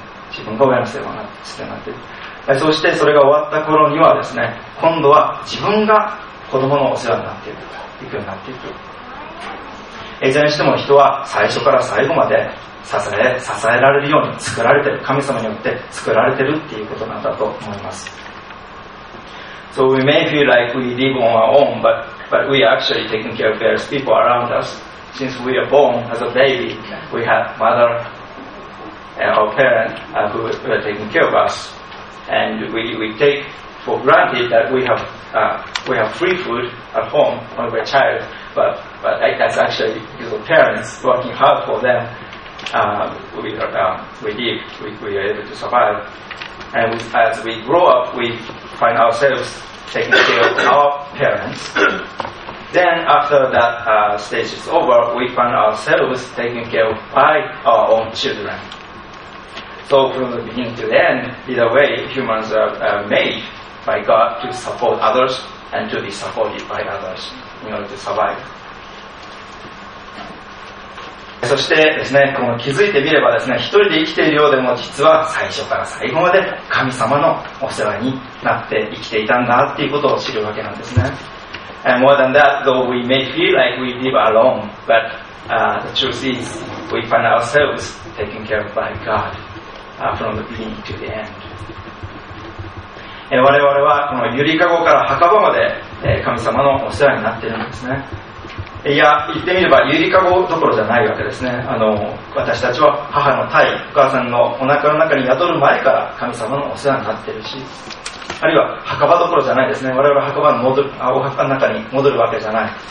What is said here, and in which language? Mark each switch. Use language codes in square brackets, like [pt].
[ja] 自分が親の世話をするようになっていく。そしてそれが終わった頃にはですね、今度は自分が子供のお世話になっていく、いくようになっていく。いずれにしても人は最初から最後まで支えられるように作られている、神様によって作られているっていうことなんだと思います。 [en] So we may feel like we live on our own, but we are actually taking care of various people around us. Since we are born as a baby, we have mother and our parents who are taking care of us. And we take for granted that we have free food at home when we're a child, but that's actually because of parents working hard for them. We are able to survive. And as we grow up, we find ourselves taking care of our parents. Then after that stage is over, we find ourselves taken care of by our own children. So from the beginning to the end, either way, humans are made by God to support others and to be supported by others in order to survive. [ja] そしてですね、この気づいてみればですね、一人で生きているようでも実は最初から最後まで神様のお世話になって生きていたんだっていうことを知るわけなんですね。 [en] And more than that, though we may feel like we live alone, but the truth is, we find ourselves taken care of by God from the beginning to the end. [ja] 我々はこのゆりかごから墓場まで神様のお世話になっているんですね。いや、言ってみればゆりかごどころじゃないわけですね。私たちは母の胎、お母さんのお腹の中に宿る前から神様のお世話になっているし、あるいは墓場どころじゃないですね。我々は墓場に戻る、お墓の中に戻るわけじゃない。